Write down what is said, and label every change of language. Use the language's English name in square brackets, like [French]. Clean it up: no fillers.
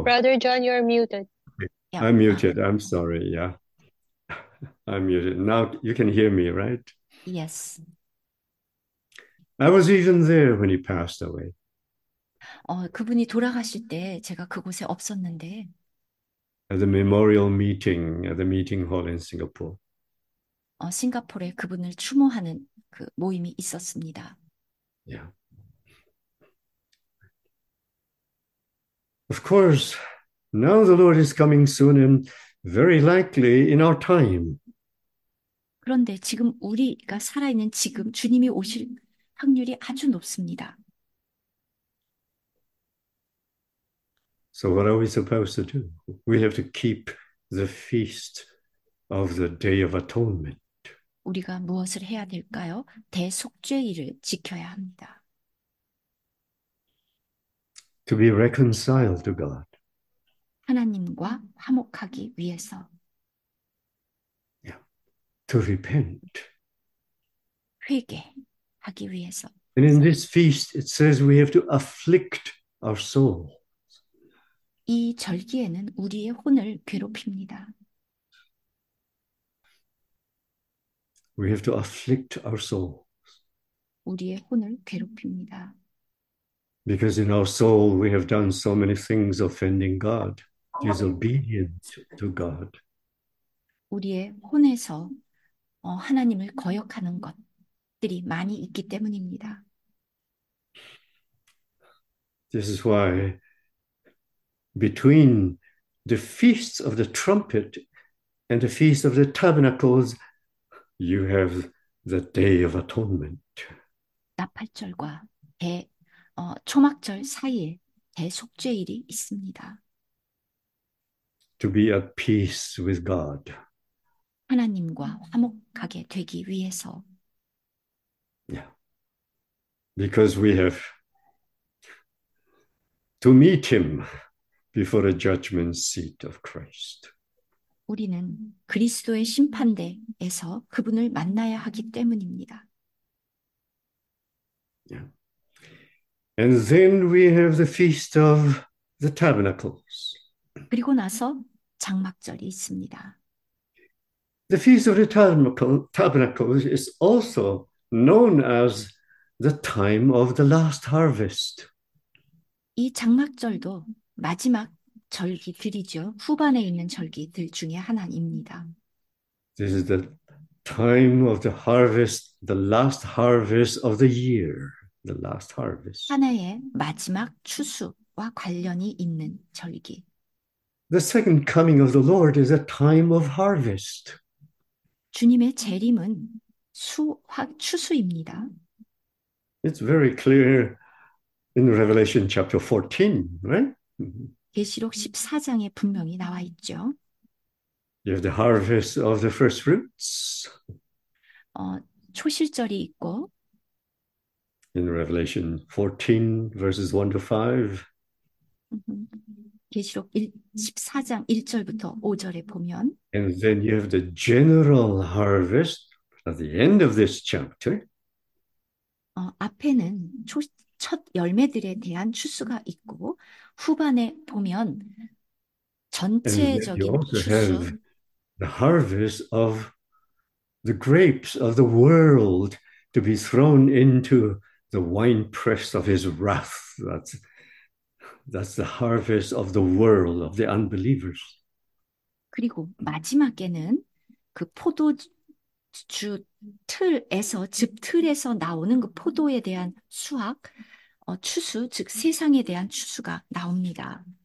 [English] Brother John, you're muted. Yep. I'm muted. I'm sorry. I'm muted. Now you can hear me, right? Yes. I was even there when he passed away. [Korean] 그분이 돌아가실 때 제가 그곳에 없었는데. [English] At the memorial meeting, at the meeting hall in Singapore. [Korean] 싱가포르에 그분을 추모하는 그 모임이 있었습니다. [English] Of course, now the Lord is coming soon and very likely in our time. [Korean] 그런데 지금 우리가 살아있는 지금 주님이 오실 확률이 아주 높습니다. [English] So, what are we supposed to do? We have to keep the feast of the Day of Atonement. [Korean] 우리가 무엇을 해야 될까요? 대속죄일을 지켜야 합니다. [English] To be reconciled to God. [Korean] 하나님과 화목하기 위해서 [English] To repent. [Korean] 회개하기 위해서 [English] And in this feast, it says we have to afflict our souls. [Korean] 이 절기에는 우리의 혼을 괴롭힙니다. [English] We have to afflict our souls. [Korean] 우리의 혼을 괴롭힙니다. [English] Because in our soul we have done so many things offending God, disobedient to God. [Korean] 우리의 혼에서 하나님을 거역하는 것들이 많이 있기 때문입니다. [English] This is why between the feasts of the trumpet and the feast of the tabernacles, you have the Day of Atonement. [Korean] 나팔절과 초막절 사이에 대속죄일이 있습니다. [English] To be at peace with God. [Korean] 하나님과 화목하게 되기 위해서. [English] Because we have to meet him before the judgment seat of Christ. [Korean] 우리는 그리스도의 심판대에서 그분을 만나야 하기 때문입니다. [English] And then we have the Feast of the Tabernacles. [Korean] 그리고 나서 장막절이 있습니다. [English] The Feast of the Tabernacles is also known as the time of the last harvest. [Korean] 이 장막절도 마지막 절기들이죠. 후반에 있는 절기들 중에 하나입니다. [English] This is the time of the harvest, the last harvest of the year, the last harvest. [Korean] 하나의 마지막 추수와 관련이 있는 절기. [English] The second coming of the Lord is a time of harvest. [Korean] 주님의 재림은 수확 추수입니다. [English] It's very clear in Revelation chapter 14, right? [Korean] 계시록 14장에 분명히 나와 있죠. [English] You have the harvest of the first fruits [Korean] 초실절이 있고 [English] in Revelation 14, verses 1 to 5. [Korean] 계시록 14장 1절부터 5절에 보면 [English] And then you have the general harvest at the end of this chapter. [Korean] 앞에는 첫 열매들에 대한 추수가 있고, 후반에 보면 [English] And then you [Korean] 전체적인 [English] also have [Korean] 추수. [English] the harvest of the grapes of the world to be thrown into the wine press of his wrath. That's the harvest of the world, of the unbelievers. [Korean] 그리고 마지막에는 그 포도 주 틀에서 즙 틀에서 나오는 그 포도에 대한 수확, 추수, 즉 세상에 대한 추수가 나옵니다.